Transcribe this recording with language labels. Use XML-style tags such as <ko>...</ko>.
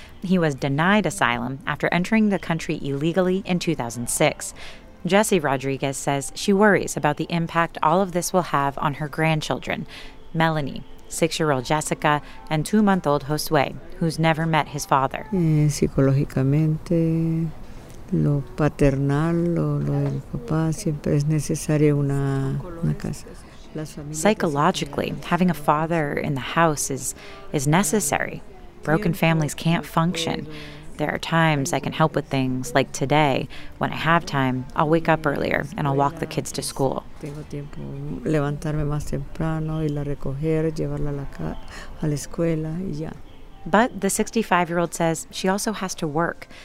<en>He was denied asylum after entering the country illegally in 2006. Jessie Rodriguez says she worries about the impact all of this will have on her grandchildren, Melanie, 6-year-old Jessica, and 2-month-old Josue, who's never met his father.</en> <es>Psicologicamente, lo paternal, lo del papá, siempre es necesario una casa.</es> <en>Psychologically, having a father in the house is necessary. Broken families can't function. There are times I can help with things, like today. When I have time, I'll wake up earlier and I'll walk the kids to school. But the 65-year-old says she also has to work.</en>